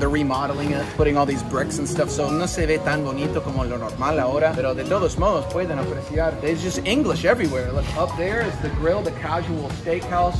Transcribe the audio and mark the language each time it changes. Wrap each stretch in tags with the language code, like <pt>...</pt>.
<en>They're remodeling it, putting all these bricks and stuff.</en> <es>So no se ve tan bonito como lo normal ahora, pero de todos modos pueden apreciar.</es> <en>There's just English everywhere. Look, up there is the grill, the casual steakhouse.</en>